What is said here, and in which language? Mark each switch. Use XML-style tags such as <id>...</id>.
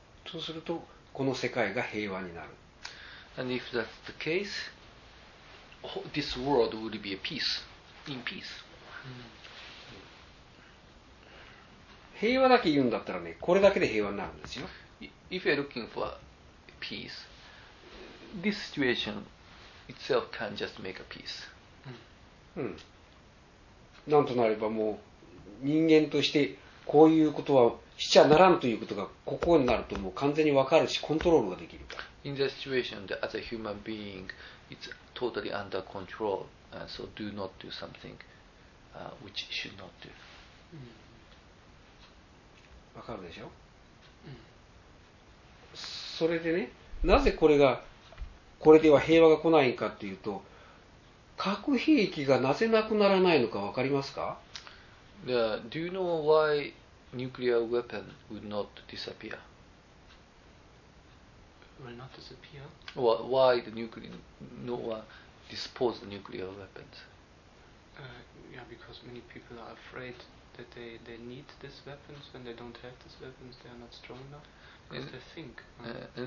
<ja>そうするとこの世界が平和になる。</ja> <en>And if that's the case, this world would be a peace, in peace.</en> <ja>平和だけ言うんだったらね、これだけで平和になるんですよ。</ja> <en>If you're looking for peace, this situation itself can just make a peace.</en> <ja>なんとなればもう人間としてこういうことはしちゃならんということがここになるともう完全に分かるし、コントロールができる。</ja> <en>In that situation, as a human being, it's totally under control, so do not do something which you should not do.</en> <ja>わかるでしょ、うん、それでね、なぜこれがこれでは平和が来ないかというと、核兵器がなぜなくならないのかわかりますか。</ja> <en>Do you know why nuclear weapon would not disappear? Will not disappear? Well, why the nuclear, no one dispose the nuclear weapons? Yeah, because many people are afraidthat they need this weapons when they don't have this weapons they are not strong enough because they think、</en>